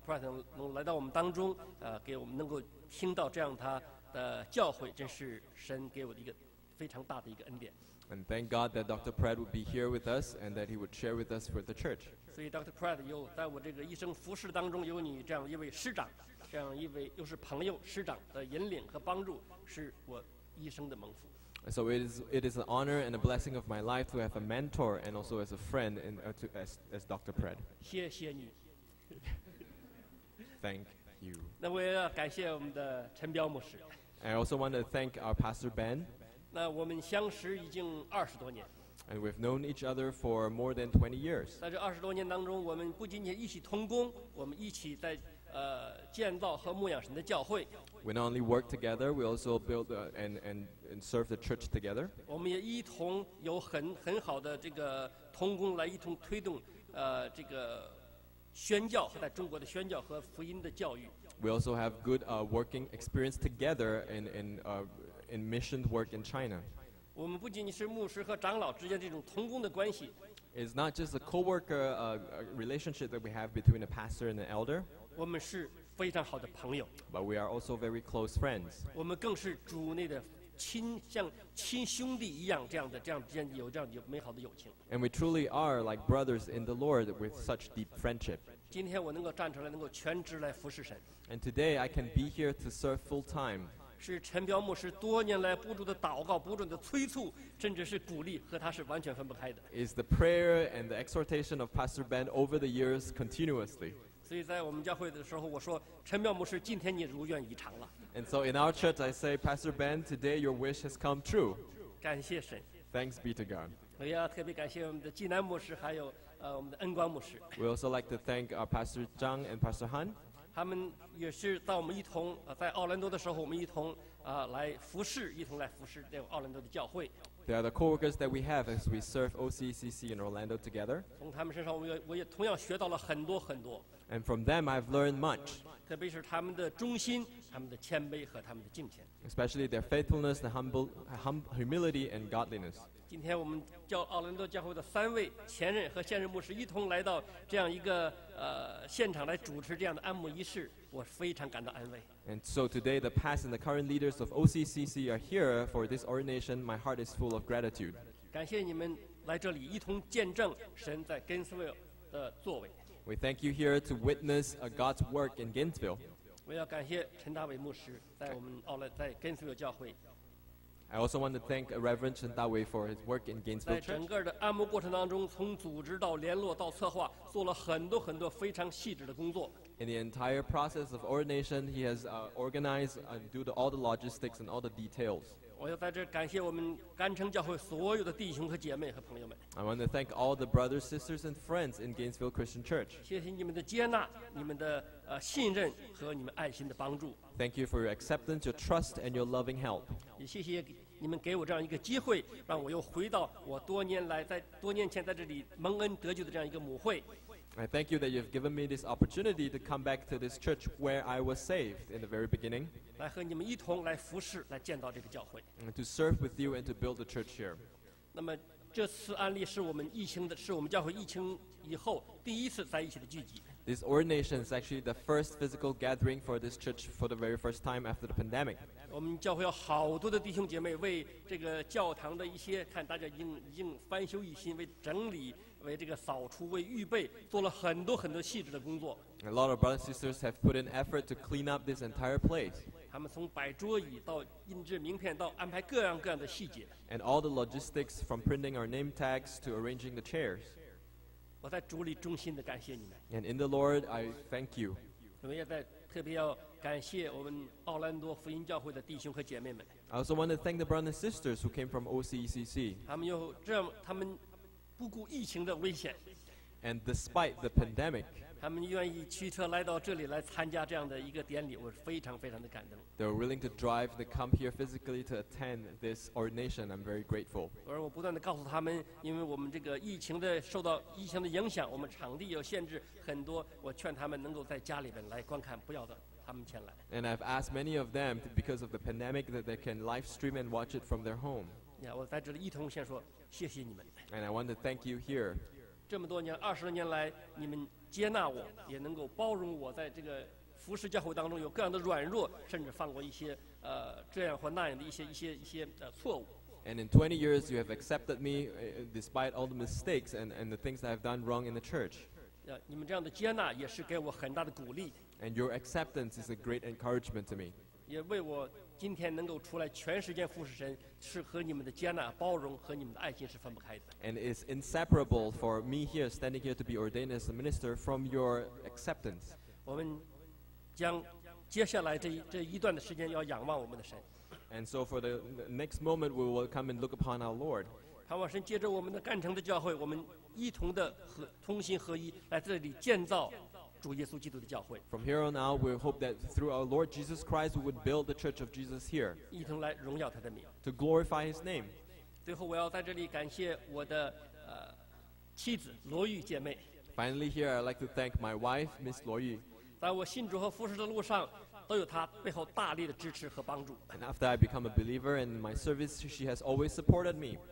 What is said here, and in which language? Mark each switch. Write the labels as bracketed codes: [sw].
[zh] Pratt 能来到我们当中，给我们能够听到这样他的教诲，真是神给我的一个非常大的一个恩典。 [en] And thank God that Dr. Pratt would be here with us and that he would share with us for the church. So Dr. [zh] Pratt, 有在我这个一生服侍当中有你这样一位师长，这样一位又是朋友师长的引领和帮助，是我一生的蒙福。 [en] So it is an honor and a blessing of my life to have a mentor and also as a friend and as Dr. Pratt. [zh] 谢谢你。 [en] Thank you. [zh] 那我也要感谢我们的陈彪牧师。 [en] I also want to thank our Pastor Ben. [zh] 那我们相识已经二十多年 [en] and we've known each other for more than 20 years [zh] 在这二十多年当中我们不仅仅一起同工我们一起在建造和牧养神的教会 [en] we not only work together we also build and serve the church together [zh] 我们也一同有很好的这个同工来一同推动这个宣教和在中国的宣教和福音的教育 [en] we also have good working experience together in mission work in China. [zh] 我们不仅仅是牧师和长老之间这种同工的关系。 [en] It's not just a co-worker relationship that we have between a pastor and an elder. [zh] 我们是非常好的朋友。 [en] But we are also very close friends. [zh] 我们更是主内的亲，像亲兄弟一样，这样的，这样之间有这样有美好的友情。 [en] And we truly are like brothers in the Lord with such deep friendship. [zh] 今天我能够站出来，能够全职来服侍神。 [en] And today I can be here to serve full time. [zh] 是陈彪牧师多年来不住的祷告、不住的催促，甚至是鼓励，和他是完全分不开的。 [en] Is the prayer and the exhortation of Pastor Ben over the years continuously? [zh] 所以在我们教会的时候，我说陈妙牧师，今天你如愿以偿了。 [en] And so in our church, I say, Pastor Ben, today your wish has come true. [zh] 感谢神。 [en] Thanks be to God. [zh] 我要特别感谢我们的济南牧师，还有我们的恩光牧师。 [en] We also like to thank our Pastor Zhang and Pastor Han. [zh] 他们也是到我们一同在奥兰多的时候，我们一同来服侍，一同来服侍在奥兰多的教会。 [en] They are the co-workers that we have as we serve OCCC in Orlando together. [zh] 从他们身上，我也同样学到了很多很多。 [en] And from them, I've learned much. [zh] 特别是他们的忠心，他们的谦卑和他们的敬虔。 [en] Especially their faithfulness, the humility and godliness. [zh] 今天我们叫奥兰多教会的三位前任和现任牧师一同来到这样一个现场来主持这样的安牧仪式，我非常感到安慰。 [en] And so today, the past and the current leaders of OCCC are here for this ordination. My heart is full of gratitude. [zh] 感谢你们来这里一同见证神在 Gainesville 的作为。 [en] We thank you here to witness God's work in Gainesville. [zh] 我要感谢陈大伟牧师在我们奥兰在 Gainesville 教会。 [en] I also want to thank Reverend Chen Dawei for his work in Gainesville Church. [zh] 在整个的按摩过程当中，从组织到联络到策划，做了很多很多非常细致的工作。 [en] In the entire process of ordination, he has organized and do all the logistics and all the details. [zh] 我要在这感谢我们甘城教会所有的弟兄和姐妹和朋友们。 [en] I want to thank all the brothers, sisters, and friends in Gainesville Christian Church. [zh] 谢谢你们的接纳，你们的信任和你们爱心的帮助。 [en] Thank you for your acceptance, your trust, and your loving help. [zh] 也谢谢你们给我这样一个机会，让我又回到我多年来在多年前在这里蒙恩得救的这样一个母会。 [en] I thank you that you've given me this opportunity to come back to this church where I was saved in the very beginning. [zh] 来和你们一同来服侍，来建造这个教会。 [en] And to serve with you and to build the church here. [zh] 那么这次案例是我们疫情的，是我们教会疫情以后第一次在一起的聚集。 [en] This ordination is actually the first physical gathering for this church for the very first time after the pandemic. [zh] 我们教会有好多的弟兄姐妹为这个教堂的一些看大家已经翻修一新，为整理。为这个扫除为预备做了很多很多细致的工作。 [en] A lot of brothers and sisters have put in effort to clean up this entire place. [zh] 他们从摆桌椅到印制名片到安排各样各样的细节。 [en] And all the logistics from printing our name tags to arranging the chairs. [zh] 我在主里衷心的感谢你们。 [en] And in the Lord, I thank you. [zh] 我们也在特别要感谢我们奥兰多福音教会的弟兄和姐妹们。 [en] I also want to thank the brothers and sisters who came from OCECC. [zh] 他们不顾疫情的危险 [en] ，and despite the pandemic， [zh] 他们愿意驱车来到这里来参加这样的一个典礼，我非常非常的感动。 [en] They're willing to drive to come here physically to attend this ordination. I'm very grateful. [zh] 我不断的告诉他们，因为我们这个疫情的受到疫情的影响，我们场地有限制很多。我劝他们能够在家里边来观看，不要的。 [en] And I've asked many of them because of the pandemic that they can live stream and watch it from their home. [zh] Yeah, 我在这里一同先说谢谢你们。 [en] And I want to thank you here. [zh] 这么多年，二十年来，你们接纳我，也能够包容我在这个服侍教会当中有各样的软弱，甚至犯过一些这样或那样的一些错误。 [en] And in 20 years, you have accepted me despite all the mistakes and the things that I've done wrong in the church. [zh] Yeah, 你们这样的接纳也是给我很大的鼓励。 [en] And your acceptance is a great encouragement to me. [zh] 也为我今天能够出来全时间服侍神，是和你们的接纳、包容和你们的爱心是分不开的。 [en] And it's inseparable for me here, standing here to be ordained as a minister, from your acceptance. [zh] 我们将接下来这一段的时间要仰望我们的神。 [en] And so for the next moment, we will come and look upon our Lord. [zh] 盼望神借着我们的干城的教会，我们一同的和同心合一，来这里建造。 [en] From here on out, we hope that through our Lord Jesus Christ, we would build the Church of Jesus here to glorify His name. [zh] 最后我要在这里感谢我的妻子罗玉姐妹。 [en] Finally, here I'd like to thank my wife, Miss 罗玉。 [zh] 在我信主和服侍的路上，都有她背后大力的支持和帮助。 [en] And after I become a believer in my service, she has always supported me.